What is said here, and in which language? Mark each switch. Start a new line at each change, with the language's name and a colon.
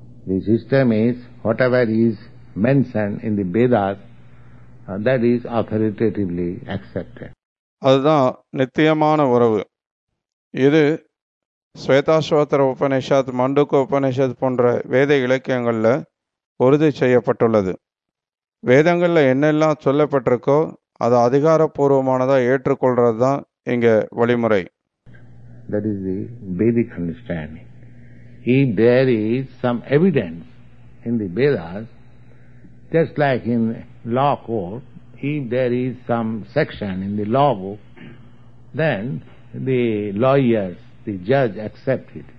English: The system is whatever is mentioned in the Vedas, that is authoritatively accepted.
Tamil: அதுதான் நித்தியமான உறவு. இது ஸ்வேதாஸ்வதர உபநிஷத், மண்டுக்க உபநிஷத் போன்ற வேத இலக்கியங்களில் உறுதி செய்யப்பட்டுள்ளது. வேதங்களில் என்னெல்லாம் சொல்லப்பட்டிருக்கோ அதை அதிகாரப்பூர்வமானதாக ஏற்றுக்கொள்றது தான் இங்கே வழிமுறை.
English: That is the Vedic understanding. If there is some evidence in the Vedas, just like in law court, if there is some section in the law book, then the lawyers, the judge accept it.